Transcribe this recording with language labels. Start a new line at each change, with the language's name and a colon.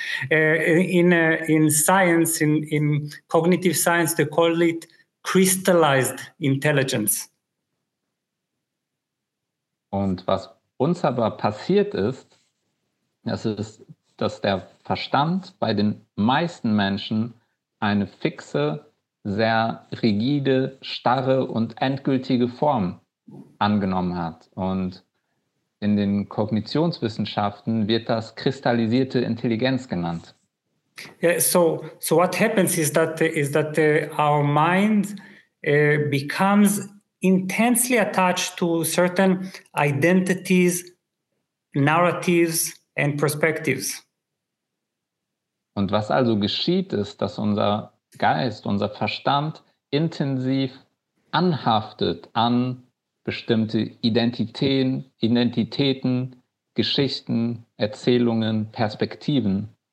English: in science, in cognitive science, they call it crystallized intelligence.
German: Und was uns aber passiert ist, das ist, dass der Verstand bei den meisten Menschen eine fixe, sehr rigide, starre und endgültige Form angenommen hat. Und in den Kognitionswissenschaften wird das kristallisierte Intelligenz genannt.
English: Yeah, so what happens is that our mind becomes intensely attached to certain identities, narratives and perspectives.
German: Und was also geschieht, ist, dass unser Geist, unser Verstand intensiv anhaftet an bestimmte Identitäten, Geschichten, Erzählungen, Perspektiven.